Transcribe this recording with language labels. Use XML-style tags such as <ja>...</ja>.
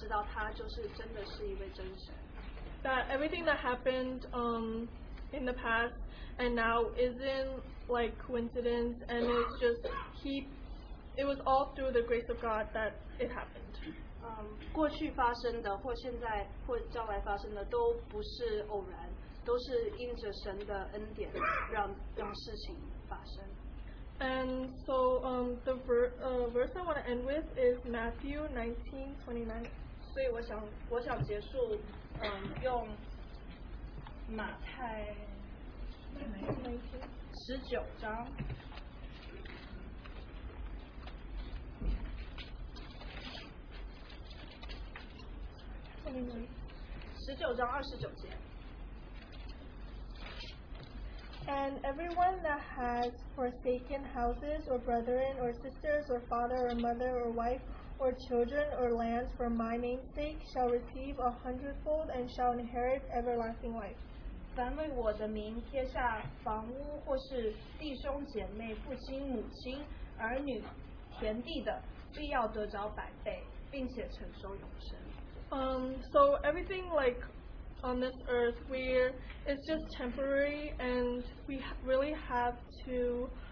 <zh>最后总结下来就是真的让我的信心有成长，让我真的知道他就是真的是一位真神。</zh> <en>That everything that happened in the past and now isn't like coincidence, and it's just it was all through the grace of God that it happened.</en> <zh>过去发生的或现在或将来发生的都不是偶然，都是因着神的恩典让事情发生。</zh> <en>And so the verse I want to end with is Matthew 19:29.</en> <zh>所以我想结束用马太十九章。</zh> <en>19:29. And everyone that has forsaken houses or brethren or sisters or father or mother or wife or children or lands for my name's sake shall receive a hundredfold and shall inherit everlasting life.</en> <zh>凡为我的名贴下房屋或是弟兄姐妹、父亲、母亲、儿女、田地的，必要得着百倍，并且承受永生。</zh> <en>So everything like on this earth, it's just temporary, and we really have to.</en>